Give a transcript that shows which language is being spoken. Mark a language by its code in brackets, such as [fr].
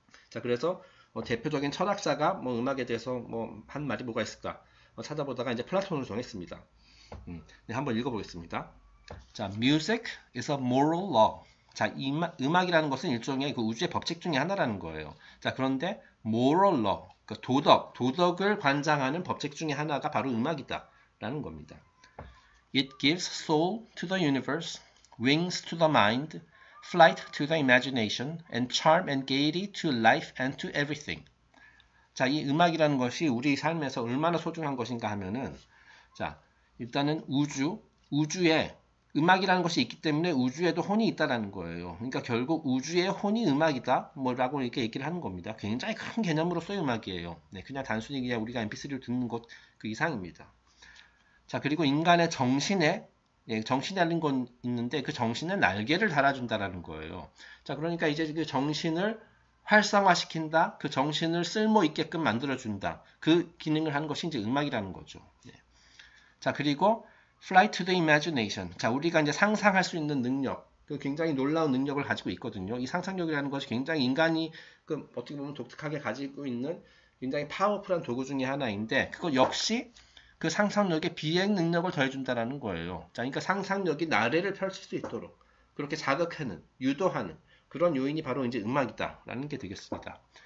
[ko] 자, 그래서 대표적인 철학자가 뭐 음악에 대해서 뭐한 말이 뭐가 있을까? 찾아보다가 이제 플라톤으로 정했습니다. 네, 한번 읽어보겠습니다. [en] 자, music is a moral law. [ko] 자, 음악이라는 것은 일종의 그 우주의 법칙 중에 하나라는 거예요. 자, 그런데 moral law, 그 도덕을 관장하는 법칙 중에 하나가 바로 음악이다라는 겁니다. [en] It gives soul to the universe, wings to the mind, flight to the imagination, and charm and gaiety to life and to everything. [ko] 자, 이 음악이라는 것이 우리 삶에서 얼마나 소중한 것인가 하면은, 자, 일단은 우주에 음악이라는 것이 있기 때문에 우주에도 혼이 있다라는 거예요. 그러니까 결국 우주의 혼이 음악이다 뭐라고 이렇게 얘기를 하는 겁니다. 굉장히 큰 개념으로서의 음악이에요. 네, 그냥 단순히 그냥 우리가 MP3를 듣는 것 그 이상입니다. 자, 그리고 인간의 정신에 예, 정신이 달린 건 있는데 그 정신은 날개를 달아준다라는 거예요. 자, 그러니까 이제 그 정신을 활성화시킨다. 그 정신을 쓸모 있게끔 만들어준다. 그 기능을 하는 것이 이제 음악이라는 거죠. 예. [en] 자, 그리고 Fly to the imagination. [ko] 자, 우리가 이제 상상할 수 있는 능력, 그 굉장히 놀라운 능력을 가지고 있거든요. 이 상상력이라는 것이 굉장히 인간이 그 어떻게 보면 독특하게 가지고 있는 굉장히 파워풀한 도구 중에 하나인데, 그거 역시 그 상상력에 비행 능력을 더해준다라는 거예요. 자, 그러니까 상상력이 나래를 펼칠 수 있도록 그렇게 자극하는, 유도하는 그런 요인이 바로 이제 음악이다라는 게 되겠습니다.